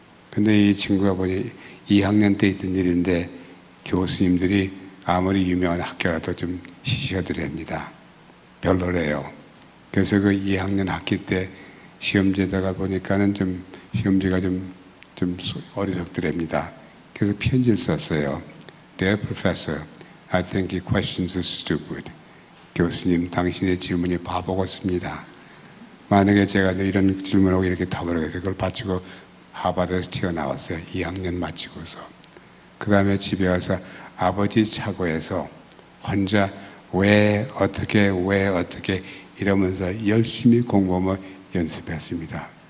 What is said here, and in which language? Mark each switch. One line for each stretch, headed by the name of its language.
Korean: 근데 이 친구가 보니 2학년 때 있던 일인데 교수님들이 아무리 유명한 학교라도 좀 시시하더랍니다. 별로래요. 그래서 그 2학년 학기 때 시험지에다가 보니까는 좀 시험지가 좀 어리석더랍니다. 그래서 편지를 썼어요.
English: Dear Professor, I think your questions are stupid.
Korean: 교수님, 당신의 질문이 바보 같습니다. 만약에 제가 이런 질문하고 이렇게 답을 해서 그걸 바치고 하버드에서 튀어나왔어요. 2학년 마치고서. 그 다음에 집에 와서 아버지 차고에서 혼자 왜 어떻게 이러면서 열심히 공부하며 연습했습니다.